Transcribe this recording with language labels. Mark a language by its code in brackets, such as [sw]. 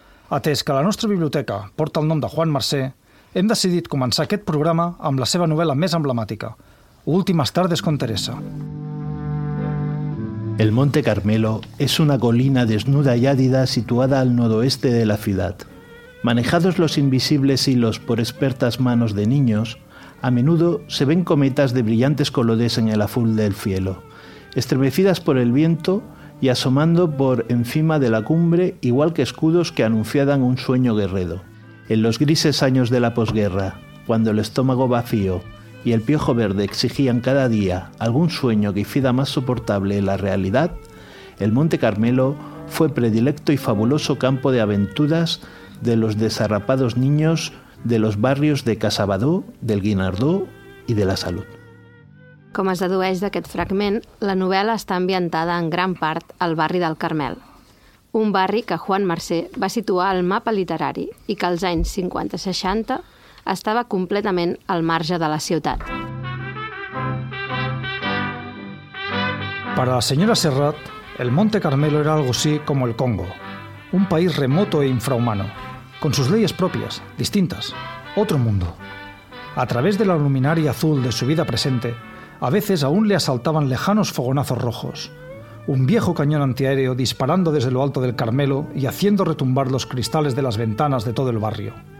[ca] Atès que la nostra biblioteca porta el nom de Juan Mercè, hem decidit començar aquest programa amb la seva novel·la més emblemàtica, Últimas tardes con Teresa. [es] El Monte Carmelo és una colina desnuda i àrida situada al nordoeste [ca] de la ciutat. [es] Manejados los invisibles hilos por expertas manos de niños, a menudo se ven cometas de brillantes colores en el azul del cielo, estremecidas por el viento y asomando por encima de la cumbre igual que escudos que anunciaban un sueño guerrero. En los grises años de la posguerra, cuando el estómago vacío y el piojo verde exigían cada día algún sueño que hiciera más soportable la realidad, el Monte Carmelo fue predilecto y fabuloso campo de aventuras de los desarrapados niños de los barrios de Casabadó, del Guinardó i de la Salut. [ca] Com es dedueix d'aquest fragment, la novel·la està ambientada en gran part al barri del Carmel, un barri que Juan Mercè va situar al mapa literari i que als anys 50-60 estava completament al marge de la ciutat. Per a la senyora [es] Serrat, el Monte Carmelo era algo así como el Congo, un país remoto e infrahumano, con sus leyes propias, distintas, otro mundo. A través de la luminaria azul de su vida presente, a veces aún le asaltaban lejanos fogonazos rojos, un viejo cañón antiaéreo disparando desde lo alto del Carmelo y haciendo retumbar los cristales de las ventanas de todo el barrio.